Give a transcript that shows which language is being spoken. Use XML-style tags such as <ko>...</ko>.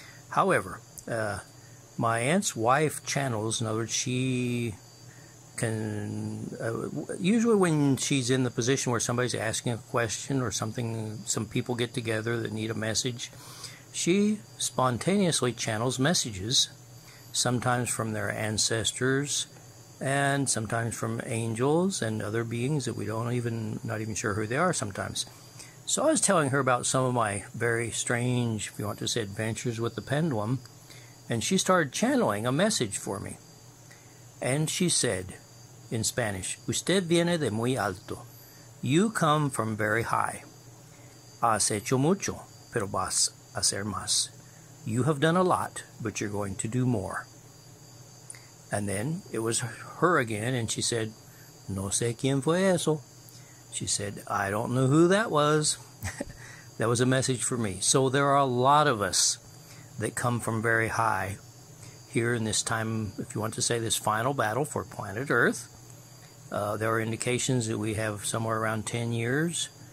<en>However, my aunt's wife channels, in other words, she can, usually when she's in the position where somebody's asking a question or something, some people get together that need a message, she spontaneously channels messages, sometimes from their ancestors, and sometimes from angels and other beings that we don't even, not even sure who they are sometimes. So I was telling her about some of my very strange, if you want to say, adventures with the pendulum, and she started channeling a message for me. And she said, in Spanish,</en> <es>"Usted viene de muy alto,"</es> <en>You come from very high.</en> <es>Has hecho mucho, pero vas a hacer más.</es> <en>You have done a lot, but you're going to do more. And then it was her again, and she said,</en> <es>no sé quién fue eso.</es> <en>She said, I don't know who that was. That was a message for me. So there are a lot of us that come from very high here in this time, if you want to say this final battle for planet Earth. There are indications that we have somewhere around 10 years.</en>